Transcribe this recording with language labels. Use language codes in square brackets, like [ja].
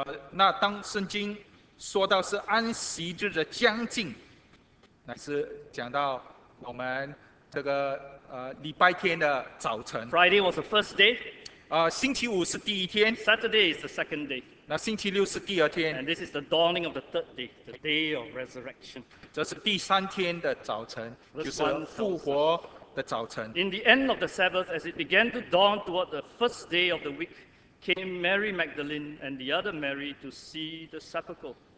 [zh] 那当圣经说到是安息日的将近，乃是讲到我们这个礼拜天的早晨。 [en] Friday was the first day. [zh] 星期五是第一天。 [en] Saturday is the second day. [zh] 那星期六是第二天。 [en] And this is the dawning of the third day, the day of resurrection. [zh] 这是第三天的早晨，就是复活的早晨。 [en] In the end of the Sabbath, as it began to dawn toward the first day of the week, came Mary Magdalene and the other Mary to see the sepulchre.